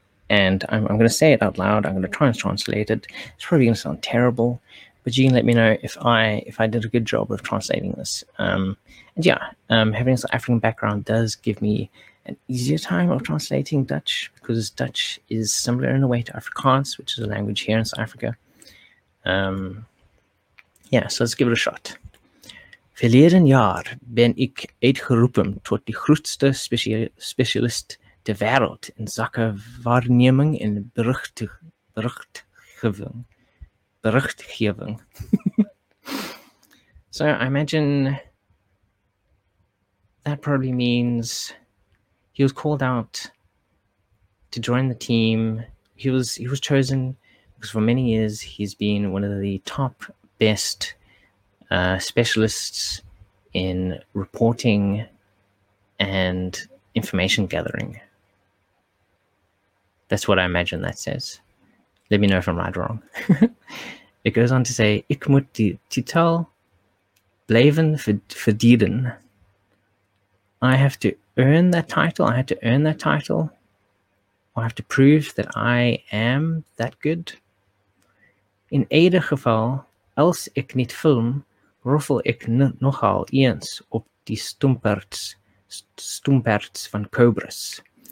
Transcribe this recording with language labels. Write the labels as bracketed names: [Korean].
[English] And I'm going to say it out loud. I'm going to try and translate it. It's probably going to sound terrible, but you can let me know if I did a good job of translating this. Having this African background does give me an easier time of translating Dutch, because Dutch is similar in a way to Afrikaans, which is a language here in South Africa. So let's give it a shot. [Dutch] Verleden jaar ben ik uitgeroepen tot de grootste specialist de wereld in zaken waarneming en berichtgeving. [English] So I imagine that probably means he was called out to join the team. He was chosen because for many years he's been one of the top best specialists in reporting and information gathering. That's what I imagine that says. Let me know if I'm right or wrong. It goes on to say, [Dutch] ik moet die titel blijven verdienen. [English] I have to earn that title. I had to earn that title. I have to prove that I am that good. [Dutch] In ieder geval, als ik niet film, roffel ik nogal eens op die stumperts van cobras.